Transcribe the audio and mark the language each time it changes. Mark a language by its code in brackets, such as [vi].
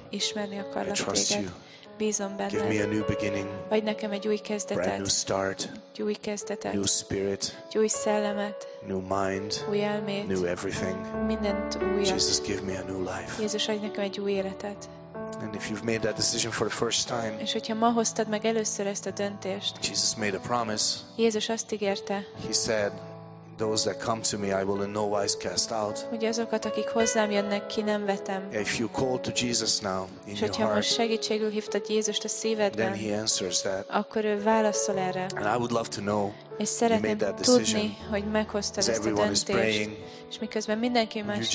[hu] Ismerni akarlak téged. [en] I trust you. [hu] Bízom benned. [en] Give me a new beginning. [hu] Adj nekem egy új kezdetet. [en] Brand new start. [hu] Egy új kezdetet. [en] New spirit. [hu] Egy új szellemet. [en] New mind. [hu] Új elmét. [en] New everything. [hu] Mindent újat. [en] Jesus, give me a new life. [hu] Jézus, adj nekem egy új életet. [en] And if you've made that decision for the first time. [hu] És hogyha ma hoztad meg először ezt a döntést. [en] Jesus made a promise. [hu] Jézus azt ígérte. [en] He said, those that come to me I will in no wise cast out. [hu] Hogy azokat, akik hozzám jönnek, ki nem vetem. [en] If you call to Jesus now in your heart. [hu] Most segítségül hívtad Jézust a szívedben. [en] Then he answers that. [hu] Akkor ő válaszol erre. [en] And I would love to know. [hu] És szeretném tudni, hogy meghoztad ezt a döntést. És miközben mindenki más